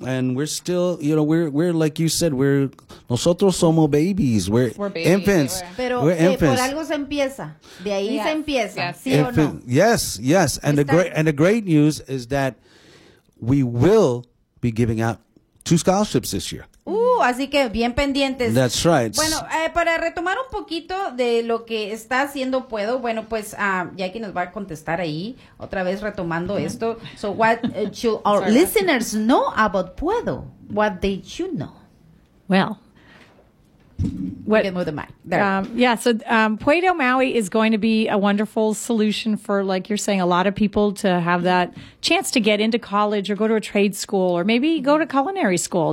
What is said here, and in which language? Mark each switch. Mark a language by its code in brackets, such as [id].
[en] And we're still, you know, we're like you said, we're [es] nosotros somos [en] babies. We're babies. Infants. We're infants. [es] Por algo se empieza. De ahí se empieza. [en] Yes. [es] ¿Sí o no? [en] Yes, yes. And the great news is that we will be giving out two scholarships this year. [es] Así que bien pendientes. [en] That's right. [es] Bueno, para retomar un poquito de lo que está haciendo Puedo, bueno, pues Jackie nos va a contestar ahí, otra vez retomando esto. [en] So what should our listeners know about Puedo? What they should know? Well, what, you can move the mic. There. Puedo Maui is going to be a wonderful solution for, like you're saying, a lot of people to have that chance to get into college or go to a trade school or maybe go to culinary school.